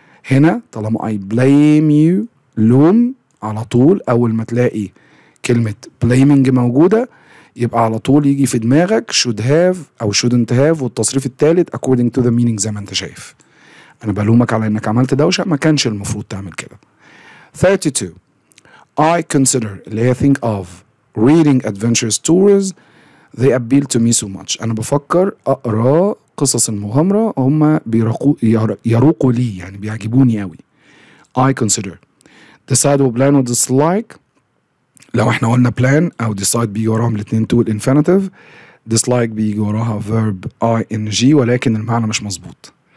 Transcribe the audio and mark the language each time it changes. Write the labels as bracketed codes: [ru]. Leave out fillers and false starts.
[ar] هنا طالما [en] I blame you [ar] لوم على طول، أول ما تلاقي كلمة blaming موجودة يبقى على طول يجي في دماغك [en] should have [ar] أو [en] shouldn't have [ar] والتصريف التالت [en] according to the meaning [ar] زي ما أنت شايف. أنا بلومك على إنك عملت دوشة ما كانش المفروض تعمل كده. 32. [en] I consider [ar] اللي هي [en] think of reading adventure stories. They appeal to me so much. [ar] أنا بفكر أقرأ قصص المغامرة، هم يروقوا لي يعني بيعجبوني قوي. [en] I consider. Decide or plan or dislike. [ar] لو احنا قلنا plan أو decide بيجي وراهم الاثنين تو الانفينيتيف. Dislike بيجي وراها verb ing ولكن المعنى مش مظبوط.